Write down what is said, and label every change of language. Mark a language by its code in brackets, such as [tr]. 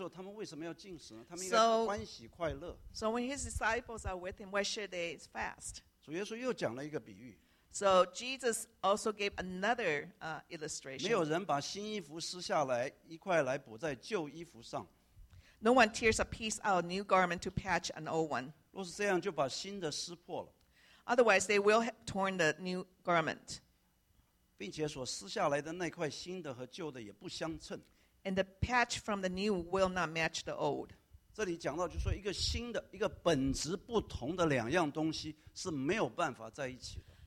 [zh] 那些跟着他的门徒，新郎还在的时候，他们为什么要进食呢？他们应该欢喜快乐。 [en] So when his disciples are with him, why should they fast? [zh] 主耶稣又讲了一个比喻。 [en] So Jesus also gave another illustration. [zh] 没有人把新衣服撕下来，一块来补在旧衣服上。 [en] No one tears a piece out of a new garment to patch an old one. [zh] 若是这样，就把新的撕破了。 [en] Otherwise, they will have torn the new garment. [zh] 并且所撕下来的那块新的和旧的也不相称。 [en] And the patch from the new will not match the old. [zh] 这里讲到就是说一个新的，一个本质不同的两样东西是没有办法在一起的。